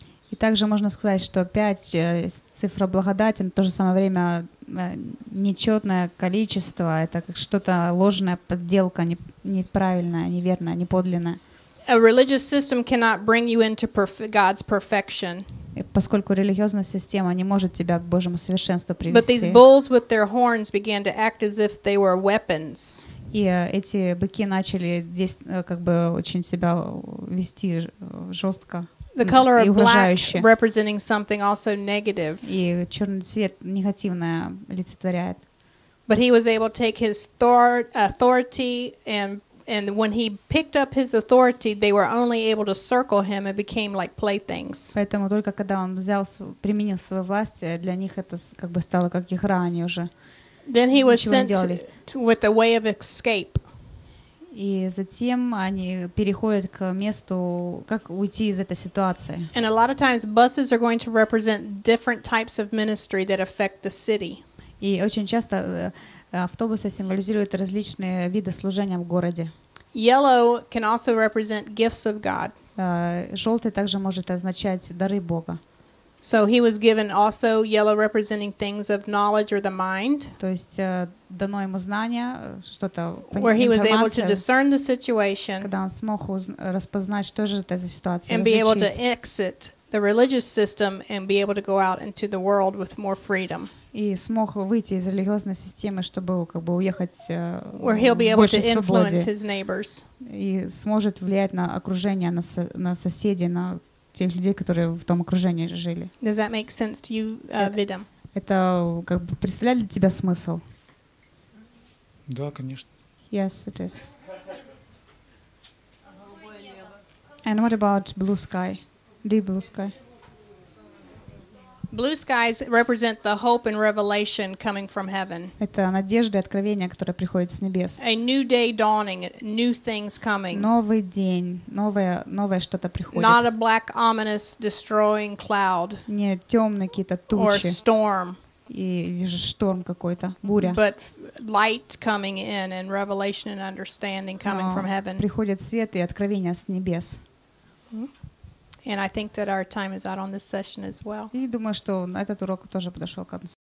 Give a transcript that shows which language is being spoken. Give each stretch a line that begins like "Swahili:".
Russian: И также можно сказать, что пять цифра благодати, но в то же самое время нечетное количество, это как что-то ложное, подделка, неправильное, неверное, неподлинное.
English: A religious system cannot bring you into God's perfection.
Russian: Поскольку религиозная система не может тебя к Божьему совершенству привести.
English: But these bulls with their horns began to act as if they were weapons.
Russian: И эти быки начали здесь как бы очень себя вести жестко
English: the color
Russian: и угрожающе.
English: Black representing something also negative.
Russian: И черный цвет негативное олицетворяет.
English: But he was able to take his authority and when he picked up his authority, they were only able to circle him and became like playthings.
Russian: Поэтому только когда он взял применил свою власть, для них это как бы стало как игра, они уже.
English: Then he was sent with a way of escape.
Russian: И затем они переходят к месту, как уйти из этой ситуации.
English: And a lot of times buses are going to represent different types of ministry that affect the city.
Russian: И очень часто автобусы символизируют различные виды служения в городе.
English: Yellow can also represent gifts of God.
Russian: Желтый также может означать дары Бога.
English: So he was given also yellow representing things of knowledge or the mind.
Russian: То есть дано ему знания, что-то понимание.
English: Where he was able to discern the situation.
Russian: Когда он смог распознать, что же это за ситуация.
English: And be able to exit the religious system and be able to go out into the world with more freedom.
Russian: И смог выйти из религиозной системы, чтобы как бы уехать в большей свободе.
English: Where he'll be able to influence his neighbors.
Russian: И сможет влиять на окружение, на соседей, на тех людей, которые в том окружении жили.
English: Does that make sense to you, Vidam?
Russian: Это как бы представляет для тебя смысл? Да, конечно.
English: Yes, it is. And what about blue sky? Deep blue sky? Blue skies represent the hope and revelation coming from heaven.
Russian: Это надежда и откровение, которое приходит с небес.
English: A new day dawning, new things coming.
Russian: Новый день, новое что-то приходит.
English: Not a black ominous destroying cloud.
Russian: Не тёмные какие-то тучи.
English: Or storm.
Russian: И вижу шторм какой-то, буря.
English: But light coming in and revelation and understanding coming from heaven.
Russian: Приходит свет и откровение с небес.
English: And I think that our time is out on this session as well.
Russian: И думаю, что этот урок тоже подошел к концу.